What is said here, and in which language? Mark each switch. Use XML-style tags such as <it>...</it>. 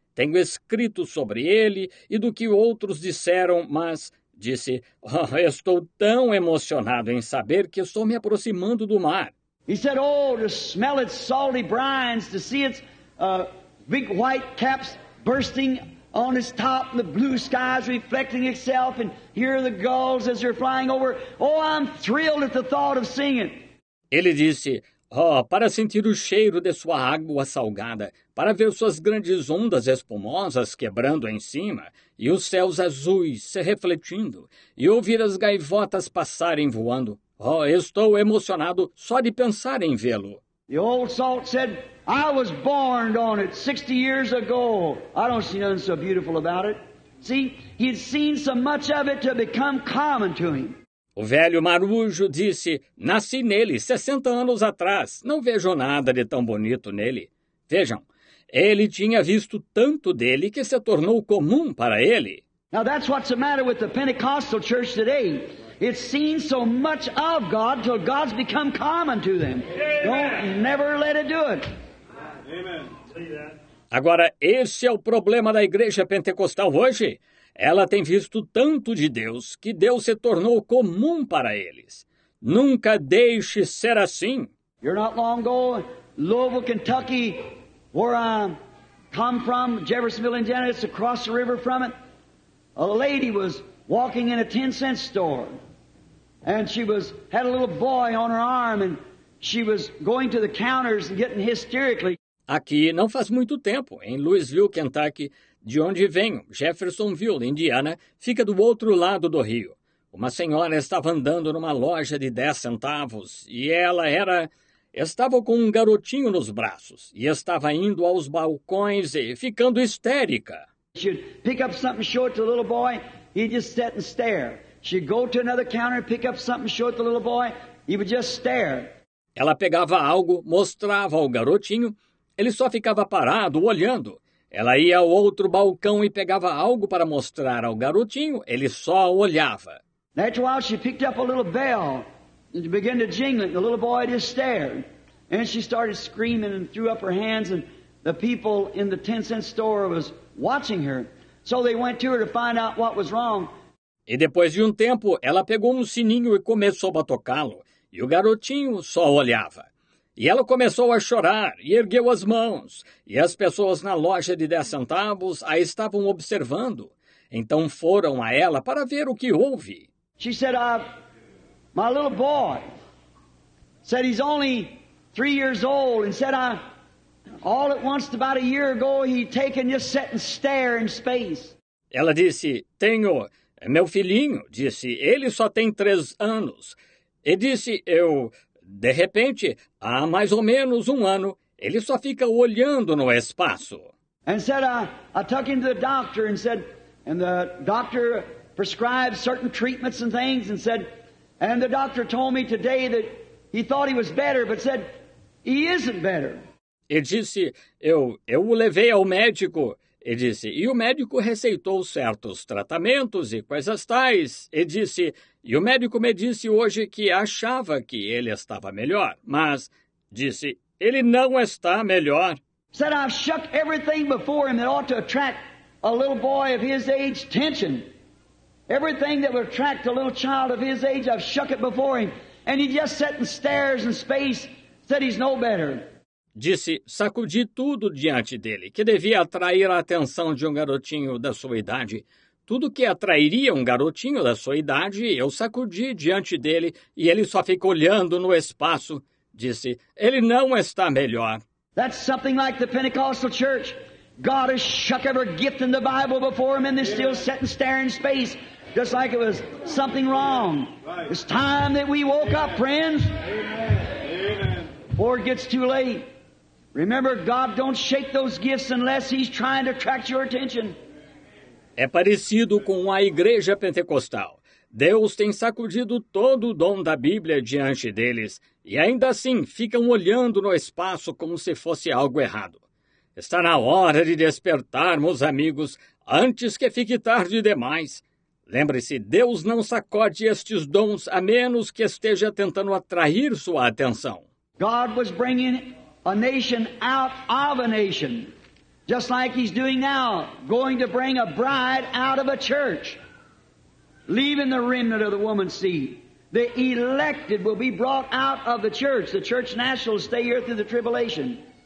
<pt>Tenho escrito sobre ele e do que outros disseram, mas... Disse, oh, estou tão emocionado em saber que estou me aproximando do mar.</pt> <en>He said, oh, to smell its salty brines, to see its big white caps bursting on its top, and the blue skies reflecting itself, and hear the gulls as they're flying over. Oh, I'm thrilled at the thought of seeing it.</en> <pt>Ele disse, oh, para sentir o cheiro de sua água salgada, para ver suas grandes ondas espumosas quebrando em cima, e os céus azuis se refletindo, e ouvir as gaivotas passarem voando. Oh, estou emocionado só de pensar em vê-lo.</pt> <en>The old salt said, I was born on it 60 years ago. I don't see nothing so beautiful about it. See, he had seen so much of it to become common to him.</en> <pt>O velho marujo disse, nasci nele 60 anos atrás, não vejo nada de tão bonito nele. Vejam, ele tinha visto tanto dele que se tornou comum para ele.</pt> <en>Now that's what's the matter with the Pentecostal church today. It's seen so much of God till God's become common to them. Amen. Don't never let it do it. Amen.</en> <pt>Agora, esse é o problema da igreja pentecostal hoje. Ela tem visto tanto de Deus que Deus se tornou comum para eles. Nunca deixe ser assim.</pt> <en>You're not long ago, Louisville, Kentucky, where I come from, Jeffersonville, Indiana, it's across the river from it. A lady was walking in a 10-cent store, and she had a little boy on her arm, and she was going to the counters and getting hysterically.</en> <pt>Aqui, não faz muito tempo, em Louisville, Kentucky, de onde venho, Jeffersonville, Indiana, fica do outro lado do rio. Uma senhora estava andando numa loja de 10 centavos e ela era... Estava com um garotinho nos braços e estava indo aos balcões e ficando histérica.</pt> <en>She'd pick up something, show it to the little boy, he'd just sit and stare. She'd go to another counter, pick up something, show it to the little boy, he would just stare.</en> <pt>Ela pegava algo, mostrava ao garotinho, ele só ficava parado, olhando. Ela ia ao outro balcão e pegava algo para mostrar ao garotinho, ele só olhava.</pt> <en>That's why she picked up a little bell and began to jingle it, the little boy just stared. And she started screaming and threw up her hands, and the people in the 10-cent store was watching her. So they went to her to find out what was wrong.</en> <pt>E depois de tempo, ela pegou sininho e começou a tocá-lo. E o garotinho só olhava. E ela começou a chorar e ergueu as mãos. E as pessoas na loja de 10 centavos a estavam observando. Então foram a ela para ver o que houve.</pt> <en>She said, my little boy said he's only 3 years old and said, all at once, about a year ago, he'd taken just sat and stare in space.</en> <pt>Ela disse, tenho, meu filhinho, disse, ele só tem 3 anos. E disse, eu, de repente, há mais ou menos 1 ano, ele só fica olhando no espaço.</pt> <en>And said, I took him to the doctor and said, and the doctor prescribed certain treatments and things and said, and the doctor told me today that he thought he was better, but said, he isn't better.</en> <pt>E disse, eu o levei ao médico, e disse, e o médico receitou certos tratamentos e coisas tais, e disse, e o médico me disse hoje que achava que ele estava melhor, mas, disse, ele não está melhor.</pt> <en>Said, I've shook everything before him that ought to attract a little boy of his age attention. Everything that would attract a little child of his age, I've shook it before him. And he just sat and stares in space, said he's no better.</en> <pt>Disse, sacudi tudo diante dele, que devia atrair a atenção de garotinho da sua idade. Tudo que atrairia garotinho da sua idade, eu sacudi diante dele, e ele só fica olhando no espaço. Disse, ele não está melhor.</pt> <en>That's something like the Pentecostal church. God has shook every gift in the Bible before him, and they're still sitting staring in space, just like it was something wrong. Right. It's time that we woke up, friends. Before it gets too late. Remember, God don't shake those gifts unless he's trying to attract your attention.</en> <pt>É parecido com a igreja pentecostal. Deus tem sacudido todo o dom da Bíblia diante deles, e ainda assim ficam olhando no espaço como se fosse algo errado. Está na hora de despertarmos, amigos, antes que fique tarde demais. Lembre-se, Deus não sacode estes dons a menos que esteja tentando atrair sua atenção.</pt> <en>God was bringing a nation out of a nation, just like he's doing now, going to bring a bride out of a church, leaving the remnant of the woman's seed. The elected will be brought out of the church. The church national will stay here through the tribulation.</en>